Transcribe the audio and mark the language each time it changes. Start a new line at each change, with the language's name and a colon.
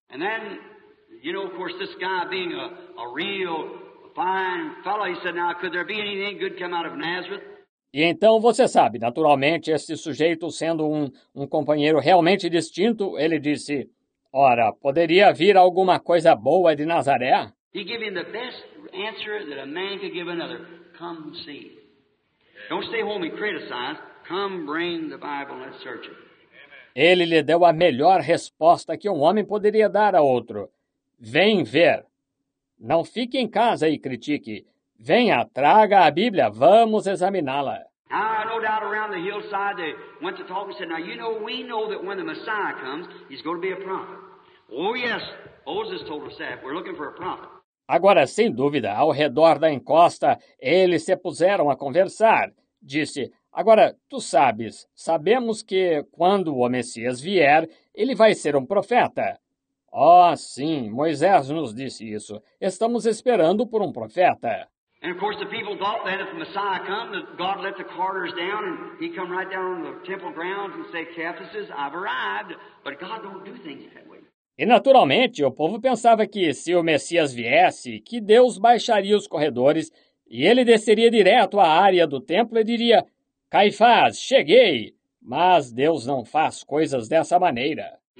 English: And then, you know, of course, this guy being a real fine fellow, he said, now, could there be anything good come out of Nazareth?
Portuguese: E então, você sabe, naturalmente, esse sujeito sendo um companheiro realmente distinto, ele disse, ora, poderia vir alguma coisa boa de Nazaré?
English: He gave him the best answer that a man could give another. Come see. Don't stay home and criticize. Come bring the Bible and let's search it.
Portuguese: Ele lhe deu a melhor resposta que um homem poderia dar a outro. Vem ver. Não fique em casa e critique. Venha, traga a Bíblia. Vamos examiná-la.
English: Now, no doubt around the hillside, they went to talk and said, now, you know, we know that when the Messiah comes, he's going to be a prophet. Oh, yes, Moses told us that. We're looking for a prophet.
Portuguese: Agora, sem dúvida, ao redor da encosta, eles se puseram a conversar. Disse, agora, tu sabes, sabemos que, quando o Messias vier, ele vai ser um profeta. Oh, sim, Moisés nos disse isso. Estamos esperando por um profeta.
English: And, of course, the people thought that if the Messiah come, that God let the carters down, and he come right down on the temple grounds and say, Cephas, I've arrived. But God don't do things that way.
Portuguese: E, naturalmente, o povo pensava que, se o Messias viesse, que Deus baixaria os corredores e ele desceria direto à área do templo e diria, Caifás, cheguei! Mas Deus não faz coisas dessa maneira.